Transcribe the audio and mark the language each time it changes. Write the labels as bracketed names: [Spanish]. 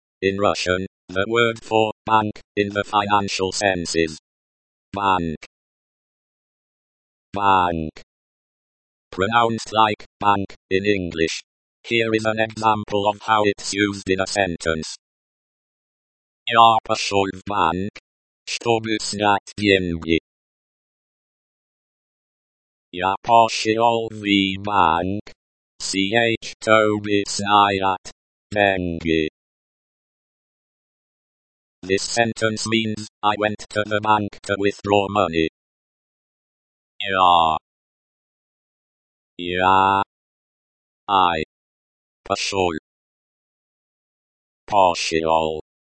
[English] In Russian, the word for bank in the financial sense is bank. Bank. Pronounced like bank in English. Here is an example of how it's used in a sentence. [Russian] Я пошел в банк, чтобы снять деньги. Я пошел в банк, чтобы снять деньги. [English] This sentence means, I went to the bank to withdraw money. [Russian] Я. Я. [English] I. [Russian] Пошел. Пошел.